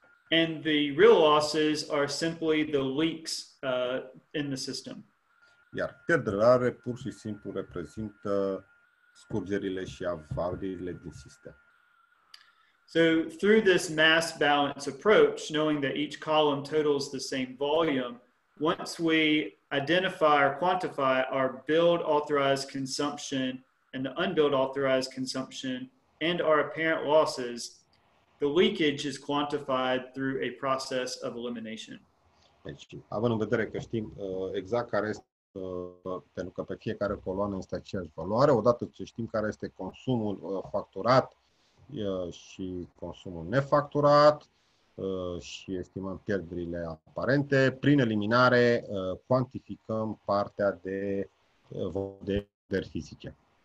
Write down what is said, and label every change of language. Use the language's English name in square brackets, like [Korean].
[English] And the real losses are simply the leaks in the system. [Romanian] Iar pierderile pur și simplu reprezintă scurgerile și avariile din sistem. [English] So through this mass balance approach, knowing that each column totals the same volume, once we identify or quantify our billed authorized consumption and the unbilled authorized consumption and our apparent losses, the leakage is quantified through a process of elimination. [Romanian] Deci, având în vedere că știm exact care este, pentru că pe fiecare coloană este aceeași valoare, odată ce știm care este consumul facturat și consumul nefacturat și estimăm pierderile aparente, prin eliminare cuantificăm partea de pierderi fizice.